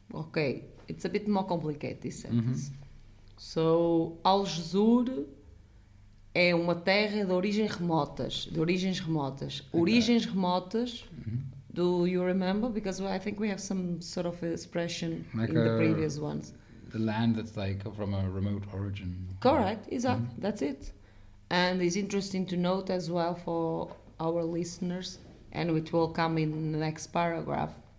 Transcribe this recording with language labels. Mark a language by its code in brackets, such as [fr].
[en] Ok, it's a bit more complicated this sentence. [pt] So, Aljezur é uma terra de origens remotas. Origens remotas, [en] do you remember? Because I think we have some sort of expression like in the previous ones. The land that's like from a remote origin. Correct, exactly. Mm-hmm. That's it. And it's interesting to note as well for our listeners, and it will come in the next paragraph.